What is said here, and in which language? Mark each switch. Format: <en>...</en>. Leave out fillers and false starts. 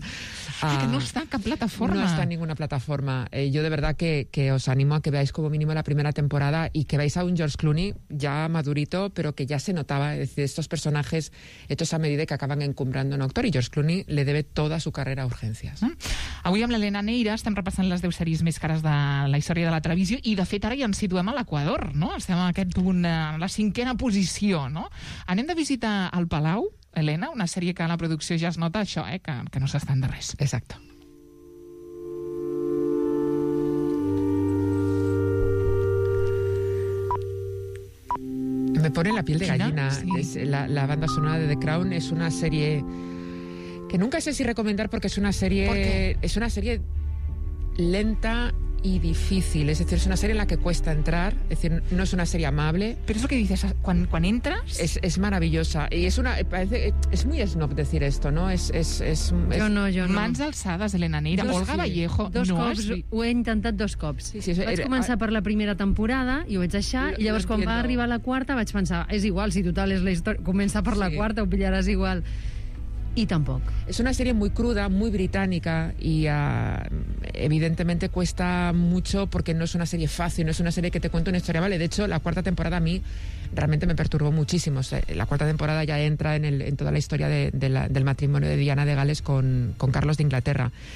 <es>que no está en plataforma. No está en ninguna plataforma. Yo de verdad que os animo a que veáis como mínimo la primera temporada y que veáis a un George Clooney ya madurito, pero que ya se notaba. Es decir, estos personajes hechos a medida que acaban encumbrando un actor, y George Clooney le debe toda su carrera a urgencias.</es> <ca>Avui amb l'Elena Neira estem repassant les 10 sèries més cares de la història de la televisió i, de fet, ara ja ens situem a l'Equador, no? Estem en aquest punt, en la cinquena posició, no? Anem de visitar el Palau, Elena, una sèrie que a la producció ja es nota això, que no s'estan de res. Exacte.</ca> <es>Me pone la piel de gallina. Sí. Es la banda sonora de The Crown es una serie... que nunca sé si recomendar porque es una serie... Es una serie lenta y difícil. Es decir, es una serie en la que cuesta entrar. Es decir, no es una serie amable. Pero es lo que dices, cuando entras... Es maravillosa. Y es muy snob decir esto, ¿no? Yo no.</es> <ca>Mans alzadas, Elena Neira. Olga Vallejo. Ho he intentat dos cops. Vaig començar per la primera temporada i ho vaig deixar. I llavors, quan va arribar la quarta, vaig pensar... És igual, si total és la història. Comença per la quarta, ho pillaràs igual.</ca> <es>Y tampoco. Es una serie muy cruda, muy británica y evidentemente cuesta mucho porque no es una serie fácil, no es una serie que te cuente una historia. Vale, de hecho, la cuarta temporada a mí realmente me perturbó muchísimo. O sea, la cuarta temporada ya entra en toda la historia del matrimonio de Diana de Gales con Carlos de Inglaterra.</es>